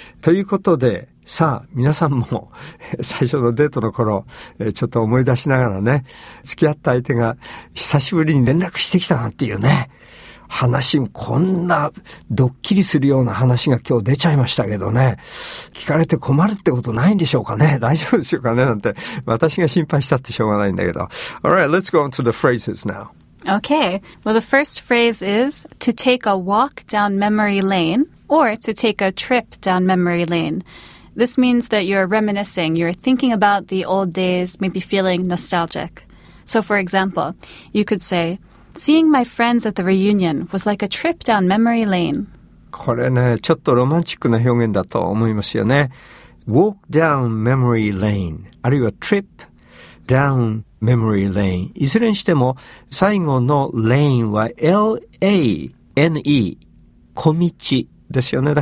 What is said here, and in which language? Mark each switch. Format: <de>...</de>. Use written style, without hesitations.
<ja>ということで、さあ皆さんも最初のデートの頃ちょっと思い出しながらね、付き合った相手が久しぶりに連絡してきたなんていうね、話、こんなドッキリするような話が今日出ちゃいましたけどね、聞かれて困るってことないんでしょうかね、大丈夫でしょうかね、なんて私が心配したってしょうがないんだけど。</ja> <en>Alright, let's go on to the phrases now Okay, well, the first phrase is to take a walk down memory lane or to take a trip down memory lane. This means that you're reminiscing, you're thinking about the old days, maybe feeling nostalgic. So, for example, you could say, seeing my friends at the reunion was like a trip down memory lane.</en> <ja>これね、ちょっとロマンチックな表現だと思いますよね。</ja> <en>Walk down memory lane, あるいは trip down memory lane. Memory lane.</en> <ja>いずれにしても最後の lane は L-A-N-E 小道ですよね。</ja>